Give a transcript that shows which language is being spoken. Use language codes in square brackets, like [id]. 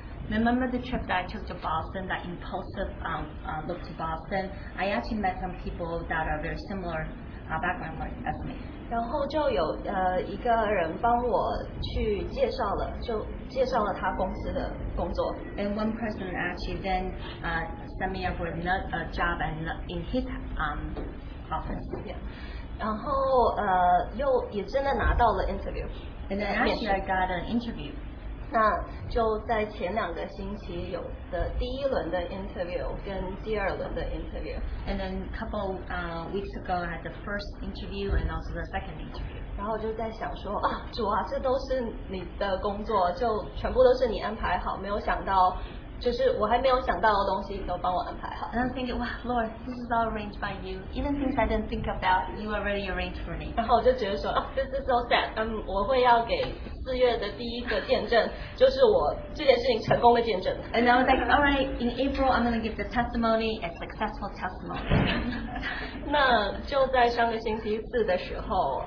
[en] Remember the trip that I took to Boston, that impulsive look to Boston? I actually met some people that are very similar background like as me. [zh] 然后就有一个人帮我去介绍了他公司的工作. [en] And one person actually then sent me up with a job and in his office. [zh] Yeah. 然后, 又也真的拿到了 interview. [en] And then actually I got an interview. [zh] 那就在前两个星期有的第一轮的 interview 跟第二轮的 interview. [en] And then a couple weeks ago I had the first interview and also the second interview. [zh] 然后就在想说, 啊, 主啊, 这都是你的工作, 就全部都是你安排好, 没有想到, 就是我还没有想到的东西都帮我安排好。 [en] And I'm thinking, wow, Lord, this is all arranged by you. Even things I didn't think about, you already arranged for me. [zh] 然后我就觉得说, 啊, [en] this is so sad. [zh] 我会要给 [en] And I was like, all right, in April, I'm going to give the testimony, a successful testimony. [zh] 那就在上个星期四的时候,